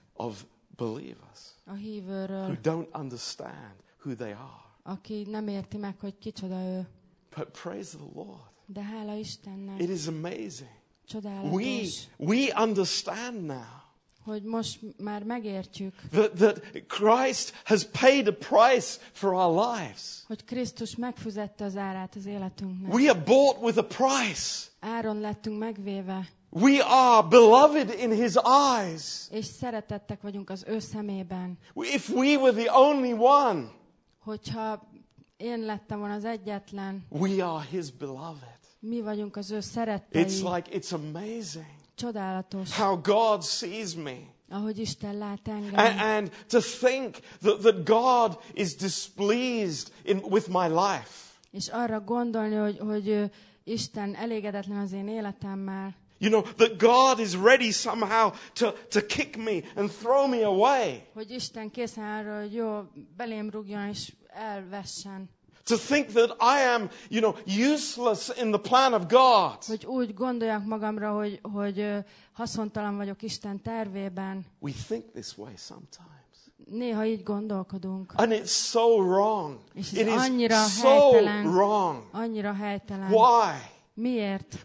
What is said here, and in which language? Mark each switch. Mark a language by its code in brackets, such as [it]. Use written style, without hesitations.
[en] Of believers. [hu] A hívőről. [en] Who don't understand who they are. [hu] Aki nem érti meg, hogy kicsoda ő. [en] But praise the Lord. [hu] De hála Istennek. [en] It is amazing. [hu] Csodálatos. [en] We understand now. [hu] Hogy most már megértjük. [en] That Christ has paid a price for our lives. [hu] Hogy Krisztus megfizette az árát az életünknek. [en] We are bought with a price. [hu] Áron lettünk megvéve. [en] We are beloved in his eyes. [hu] És szeretettek vagyunk az ő szemében. [en] If we were the only one. [hu] Hogyha én lettem volna az egyetlen. [en] We are his beloved. [hu] Mi vagyunk az ő szerettei. [en] It's like it's amazing. [hu] Csodálatos. [en] How God sees me. [hu] Ahogy Isten lát engem. [en] And to think that God is displeased with my life. [hu] És arra gondolni, hogy Isten elégedetlen az én életemmel. [en] You know that God is ready somehow to kick me and throw me away. [hu] Hogy Isten készen arra, hogy jó, belém rúgjon és elvessen. [en] To think that I am, you know, useless in the plan of God. [hu] Hogy úgy gondoljak magamra, hogy haszontalan vagyok Isten tervében. [en] We think this way sometimes. [hu] Néha így gondolkodunk. [en] And it's so wrong. [hu] És ez annyira helytelen. Annyira helytelen. [en] Why? [hu] Miért?